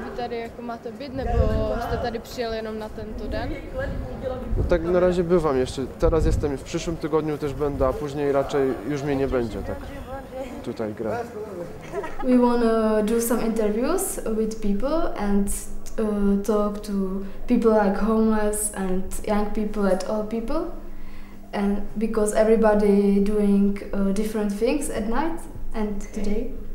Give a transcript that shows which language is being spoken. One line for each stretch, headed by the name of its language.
Czech: Jako máte byt, nebo jste tady přijeli jenom na tento den?
Polish: No tak na razie bywam jeszcze. Teraz jestem, w przyszłym tygodniu też będę, a później raczej już mnie nie będzie, tak tutaj gra.
English: We wanna do some interviews with people and talk to people like homeless and young people and old people. And because everybody doing different things at night and today.